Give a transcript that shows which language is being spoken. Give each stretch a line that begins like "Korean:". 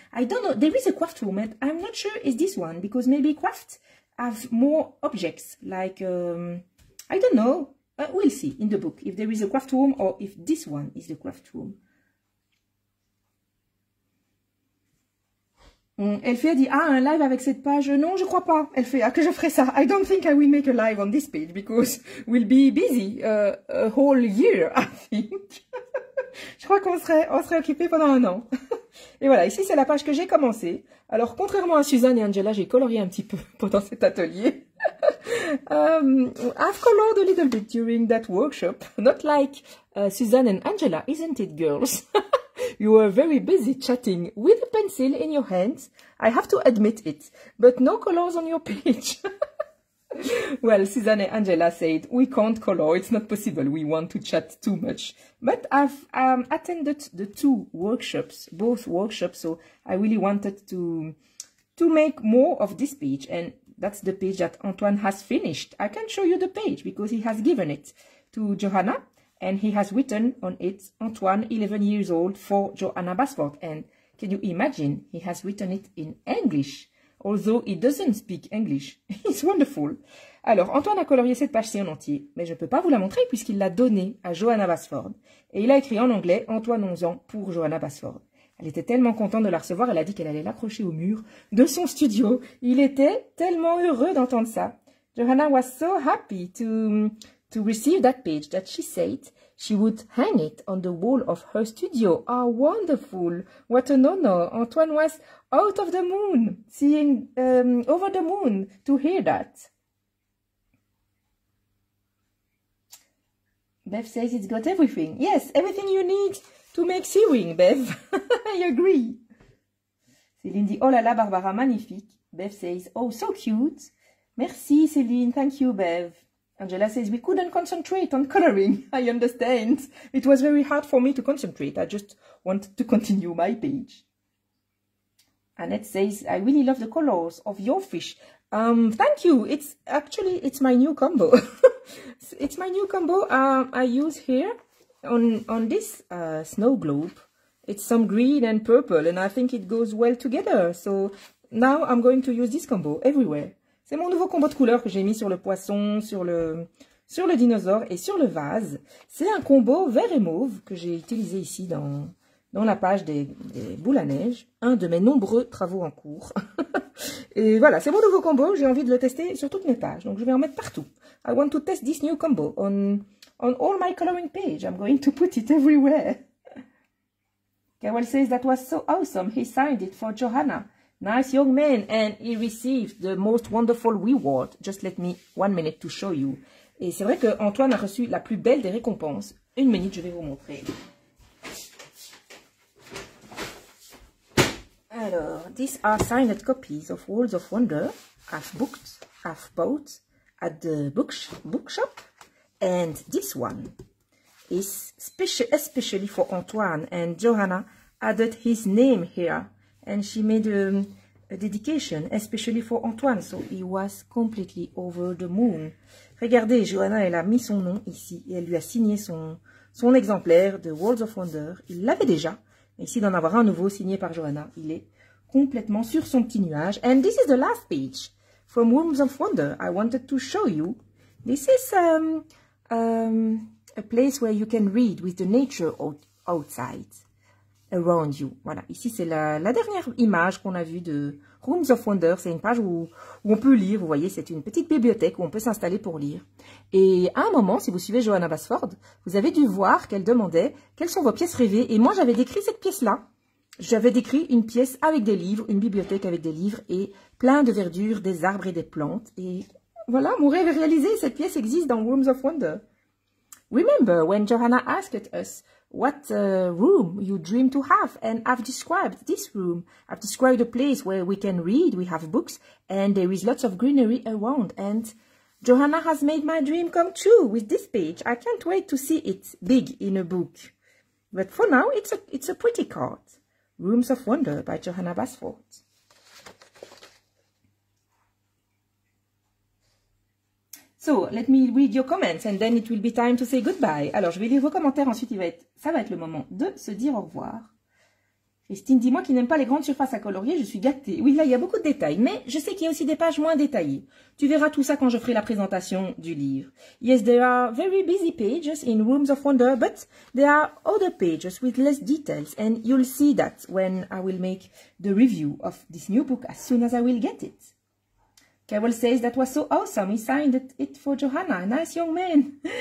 English: I don't know, there is a craft room, but I'm not sure it's this one, because maybe craft have more objects, like, I don't know. We'll see in the book if there is a craft room or if this one is the craft room.
French: Elle fait, elle dit, ah, un live avec cette page. Non, je crois pas. Elle fait, ah, que je ferai ça.
English: I don't think I will make a live on this page because we'll be busy a whole year, I think.
French: Je crois qu'on serait, on serait occupé pendant un an. Et voilà, ici, c'est la page que j'ai commencé. Alors, contrairement à Suzanne et Angela, j'ai colorié un petit peu pendant cet atelier.
English: I've colored a little bit during that workshop. Not like Suzanne and Angela, isn't it, girls? You were very busy chatting with a pencil in your hands. I have to admit it. But no colors on your page. Well, Suzanne and Angela said, we can't color. It's not possible. We want to chat too much. But I've attended the two workshops, both workshops. So I really wanted to make more of this page. And that's the page that Antoine has finished. I can show you the page because he has given it to Johanna. And he has written on it, Antoine, 11 years old, for Johanna Basford. And can you imagine, he has written it in English, although he doesn't speak English. It's wonderful.
French: Alors, Antoine a colorié cette page-ci en entier, mais je ne peux pas vous la montrer puisqu'il l'a donnée à Johanna Basford. Et il a écrit en anglais, Antoine 11 ans, pour Johanna Basford. Elle était tellement contente de la recevoir, elle a dit qu'elle allait l'accrocher au mur de son studio. Il était tellement heureux d'entendre ça.
English: Johanna was so happy to receive that page that she said she would hang it on the wall of her studio. Ah, oh, wonderful. What an honor. Antoine was out of the moon, seeing over the moon to hear that. Beth says it's got everything. Yes, everything you need to make sewing, Beth. I agree.
French: Céline dit, oh là là, Barbara, magnifique.
English: Beth says, oh, so cute. Merci, Céline. Thank you, Beth. Angela says, we couldn't concentrate on coloring. I understand. It was very hard for me to concentrate. I just wanted to continue my page. Annette says, I really love the colors of your fish. Thank you. It's actually, it's my new combo. It's my new combo I use here on this snow globe. It's some green and purple and I think it goes well together. So now I'm going to use this combo everywhere.
French: C'est mon nouveau combo de couleurs que j'ai mis sur le poisson, sur le dinosaure et sur le vase. C'est un combo vert et mauve que j'ai utilisé ici dans la page des boules à neige. Un de mes nombreux travaux en cours. Et voilà, c'est mon nouveau combo. J'ai envie de le tester sur toutes mes pages. Donc, je vais en mettre partout.
English: I want to test this new combo on all my coloring page. I'm going to put it everywhere. Carol says that was so awesome. He signed it for Johanna. Nice young man, and he received the most wonderful reward. Just let me 1 minute to show you.
French: Et c'est vrai que Antoine a reçu la plus belle des récompenses. 1 minute, je vais vous montrer.
English: Alors, these are signed copies of Worlds of Wonder. I've bought at the bookshop. And this one is especially for Antoine. And Johanna added his name here. And she made a dedication, especially for Antoine. So he was completely over the moon.
French: Regardez, Johanna, elle a mis son nom ici. Et elle lui a signé son exemplaire de Worlds of Wonder. Il l'avait déjà. Ici, d'en avoir un nouveau signé par Johanna. Il est complètement sur son petit nuage.
English: And this is the last page. from Worms of Wonder, I wanted to show you. This is a place where you can read with the nature outside, around you.
French: Voilà, ici c'est la dernière image qu'on a vue de Rooms of Wonder. C'est une page où on peut lire, vous voyez, c'est une petite bibliothèque où on peut s'installer pour lire. Et à un moment, si vous suivez Johanna Basford, vous avez dû voir qu'elle demandait « Quelles sont vos pièces rêvées ?» Et moi j'avais décrit cette pièce-là. J'avais décrit une pièce avec des livres, une bibliothèque avec des livres et plein de verdure, des arbres et des plantes. Et voilà, mon rêve est réalisé. Cette pièce existe dans Rooms of Wonder.
English: Remember when Johanna asked us what room you dream to have, and I've described this room. I've described a place where we can read, we have books, and there is lots of greenery around. And Johanna has made my dream come true with this page. I can't wait to see it big in a book. But for now, it's a pretty card. Rooms of Wonder by Johanna Basford. So, let me read your comments and then it will be time to say goodbye.
French: Alors, je vais lire vos commentaires, ensuite ça va être le moment de se dire au revoir. Christine, dis-moi qu'il n'aime pas les grandes surfaces à colorier, je suis gâtée. Oui, là, il y a beaucoup de détails, mais je sais qu'il y a aussi des pages moins détaillées. Tu verras tout ça quand je ferai la présentation du livre.
English: Yes, there are very busy pages in Rooms of Wonder, but there are other pages with less details. And you'll see that when I will make the review of this new book as soon as I will get it. Carol says that was so awesome. He signed it for Johanna. Nice young man.